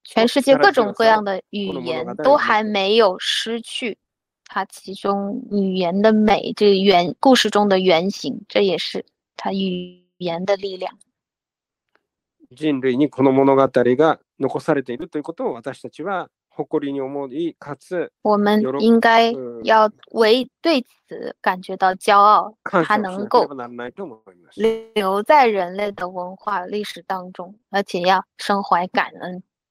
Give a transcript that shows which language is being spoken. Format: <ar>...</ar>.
<zh>全世界各种各样的语言都还没有失去它其中语言的美，这原故事中的原型，这也是它语言的力量。</zh> <ja>人類にこの物語が残されているということを私たちは誇りに思い、かつ</ja> <zh>我们应该要为对此感觉到骄傲，它能够留在人类的文化历史当中，而且要身怀感恩。</zh>